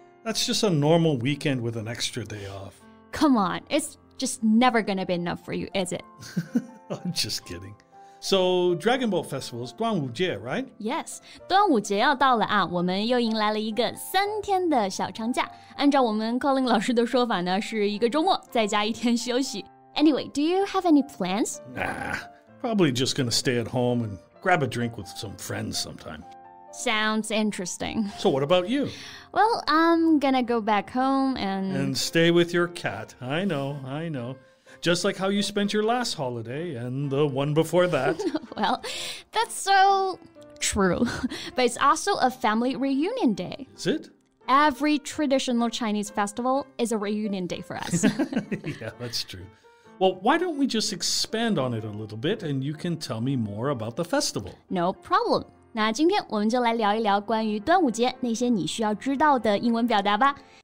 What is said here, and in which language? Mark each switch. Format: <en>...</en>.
<en>That's just a normal weekend with an extra day off. Come on, it's just never going to be enough for you, is it? I'm just kidding. So, Dragon Boat Festival is 端午节, right?</en> <zh>Yes, 端午节要到了啊，我们又迎来了一个三天的小长假。按照我们 Colin 老师的说法呢，是一个周末再加一天休息。</zh> <en>Anyway, do you have any plans? Nah, probably just gonna stay at home and grab a drink with some friends sometime. Sounds interesting. So what about you? Well, I'm gonna go back home and stay with your cat. I know. Just like how you spent your last holiday and the one before that. Well, that's so true. But it's also a family reunion day. Is it? Every traditional Chinese festival is a reunion day for us. Yeah, that's true. Well, why don't we just expand on it a little bit and you can tell me more about the festival? No problem.</en> <zh>那今天我们就来聊一聊关于端午节那些你需要知道的英文表达吧。</zh>